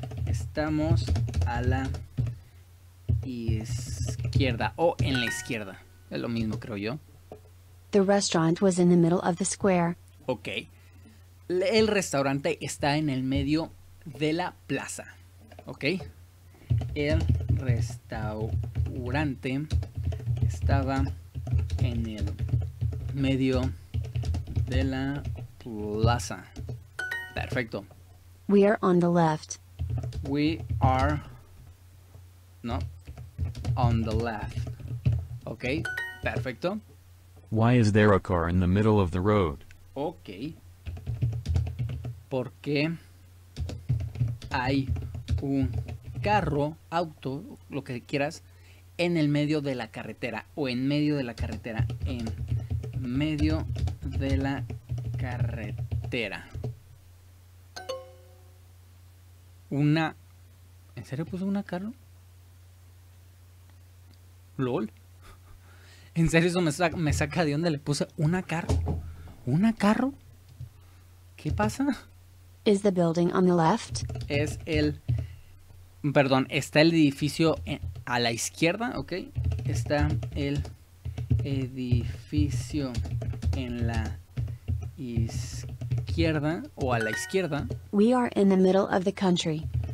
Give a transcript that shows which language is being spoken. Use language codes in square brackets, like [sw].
[es] Estamos a la izquierda o en la izquierda. Es lo mismo, creo yo. [en] The restaurant was in the middle of the square. Ok. [es] El restaurante está en el medio de la plaza. Ok. El restaurante estaba en el medio de la plaza. Perfecto. [en] We are on the left. We are, no, on the left. [es] Ok, perfecto. [en] Why is there a car in the middle of the road? Ok. [es] ¿Por qué hay un carro, auto, lo que quieras, en el medio de la carretera? O en medio de la carretera. En medio de la carretera. Una... ¿En serio puso una carro? ¿Lol? ¿En serio eso me saca de onda? ¿Le puse una carro? ¿Una carro? ¿Qué pasa? [en] Is the building on the left? [es] Es el... Perdón, está el edificio a la izquierda, ¿ok? Está el edificio en la izquierda o a la izquierda. [en] We are in the middle of the country.